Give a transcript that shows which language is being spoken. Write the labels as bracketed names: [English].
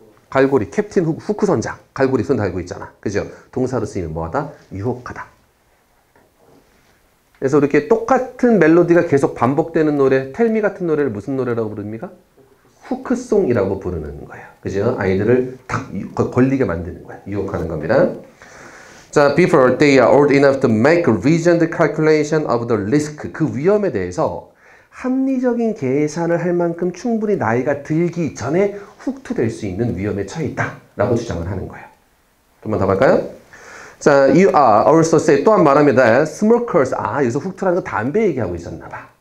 [Korean] 갈고리, 캡틴 후크 선장, 갈고리 손 달고 있잖아. 그죠? 동사로 쓰이면 뭐하다? 유혹하다. 그래서 이렇게 똑같은 멜로디가 계속 반복되는 노래, 텔미 같은 노래를 무슨 노래라고 부릅니까? 후크송이라고 부르는 거예요. 그죠? 아이들을 탁 걸리게 만드는 거예요. 유혹하는 겁니다. [English] 자, before they are old enough to make a reasoned calculation of the risk. [Korean] 그 위험에 대해서 합리적인 계산을 할 만큼 충분히 나이가 들기 전에 후크될 수 있는 위험에 처해 있다. 라고 주장을 하는 거예요. 한 번 더 볼까요? 자, [English] you are also say, [Korean] 또한 말합니다. Smokers. 아, 여기서 후크라는 건 담배 얘기하고 있었나 봐.